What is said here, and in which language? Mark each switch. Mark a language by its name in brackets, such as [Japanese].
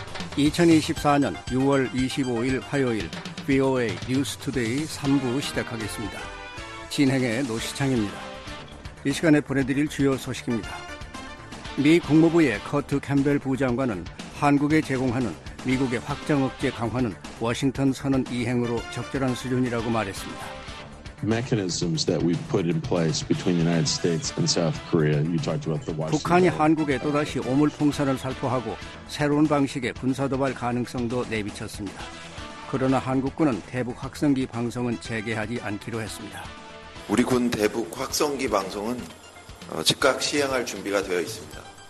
[Korean] 2024년 6월 25일 화요일 VOA 뉴스 투데이 3부 시작하겠습니다. 진행의 노시창입니다. 이 시간에 보내드릴 주요 소식입니다. 미 국무부의 커트 캠벨 부장관은 한국에 제공하는 미국의 확장 억제 강화는 워싱턴 선언 이행으로 적절한 수준이라고 말했습니다. [English] Mechanisms that we put in place between the United States and South Korea. You talked about the Washington. [Korean] 북한이 한국에 또다시 오물 풍선을 살포하고 새로운 방식의 군사 도발 가능성도 내비쳤습니다. 그러나 한국군은 대북 확성기 방송은 재개하지 않기로 했습니다. 우리 군 대북 확성기 방송은 즉각 시행할 준비가 되어 있습니다.